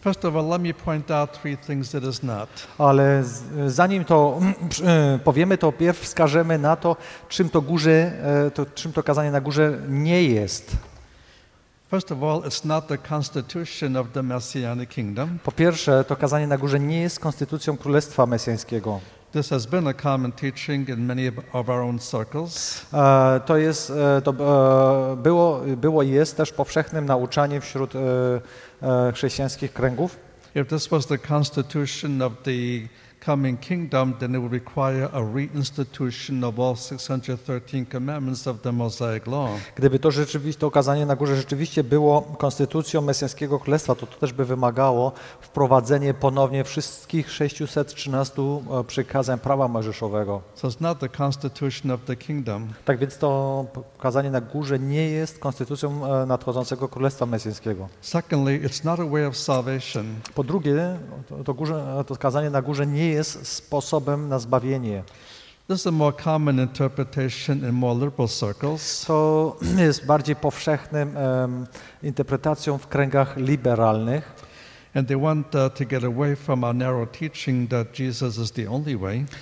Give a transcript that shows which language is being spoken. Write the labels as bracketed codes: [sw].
[en] First of all, let me point out three things that is not. [pl] Ale zanim to powiemy, to pierw wskażemy na to, czym to górze, to, czym to kazanie na górze nie jest. [en] First of all, it's not the constitution of the Messianic Kingdom. [pl] Po pierwsze, to kazanie na górze nie jest konstytucją Królestwa Mesjańskiego. [en] This has been a common teaching in many of our own circles. [pl] To było i jest też powszechnym nauczaniem wśród chrześcijańskich kręgów. [en] If this was the constitution of the coming kingdom, then it would require a reinstitution of all 613 commandments of the Mosaic law. [pl] Gdyby to rzeczywiście, to kazanie na górze rzeczywiście było konstytucją mesjańskiego królestwa, to też by wymagało wprowadzenie ponownie wszystkich 613 przykazań prawa mojżeszowego. [en] So it's not the constitution of the kingdom. [pl] Tak więc to kazanie na górze nie jest konstytucją nadchodzącego królestwa mesjańskiego. [en] Secondly, it's not a way of salvation. [pl] Po drugie, to kazanie na górze nie jest sposobem na zbawienie. [en] This is a more common interpretation in more liberal circles. [pl] To jest bardziej powszechnym interpretacją w kręgach liberalnych. [en] And they want to get away from our narrow teaching that Jesus is the only way.